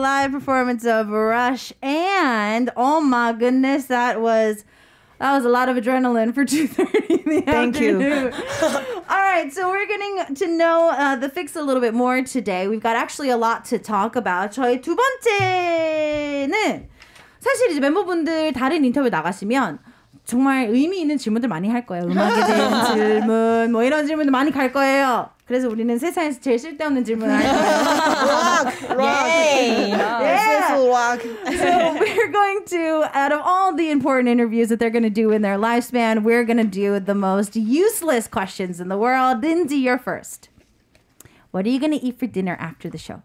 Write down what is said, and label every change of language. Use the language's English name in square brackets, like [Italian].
[English] performance of Rush, and oh my goodness, that was a lot of adrenaline for 2:30 in the afternoon. Thank you. All right, so we're getting to know the Fix a little bit more today. We've got actually a lot to talk about. [Korean] 저희 두 번째는 사실 이제 멤버분들 다른 인터뷰 나가시면 정말 의미 있는 질문들 많이 할 거예요. 음악에 대한 질문, 뭐 이런 질문도 많이 갈 거예요. 그래서 우리는 세상에서 제일 쓸데없는 질문을 할 거예요. [English] Rock! Rock! Yeah! This is rock. So we're going to, out of all the important interviews that they're going to do in their lifespan, we're going to do the most useless questions in the world. Lindsay, you're first. What are you going to eat for dinner after the show?